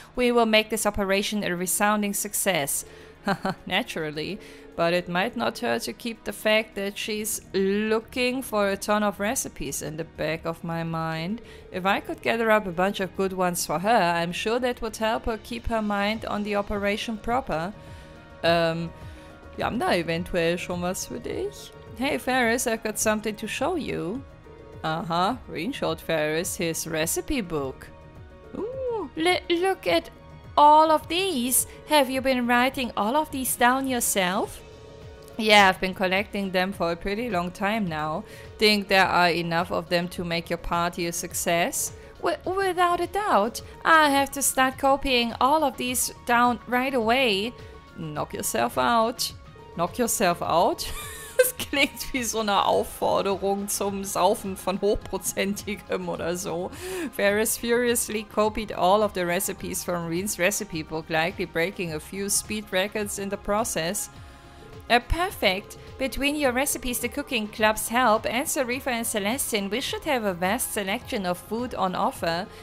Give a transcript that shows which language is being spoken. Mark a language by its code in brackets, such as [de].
[en] We will make this operation a resounding success. Naturally, but it might not hurt to keep the fact that she's looking for a ton of recipes in the back of my mind. If I could gather up a bunch of good ones for her, I'm sure that would help her keep her mind on the operation proper. [de] Wir haben da eventuell schon was für dich. [en] Hey, Ferris, I've got something to show you. Greenshot Ferris, his recipe book. Look at all of these. Have you been writing all of these down yourself? Yeah, I've been collecting them for a pretty long time now. Think there are enough of them to make your party a success? Without a doubt. I have to start copying all of these down right away. Knock yourself out. Knock yourself out? [de] Das klingt wie so eine Aufforderung zum Saufen von Hochprozentigem oder so. [en] Ferris furiously copied all of the recipes from Reen's recipe book, likely breaking a few speed records in the process. Perfect. Between your recipes, the cooking club's help, and Sarifa and Celestine, we should have a vast selection of food on offer.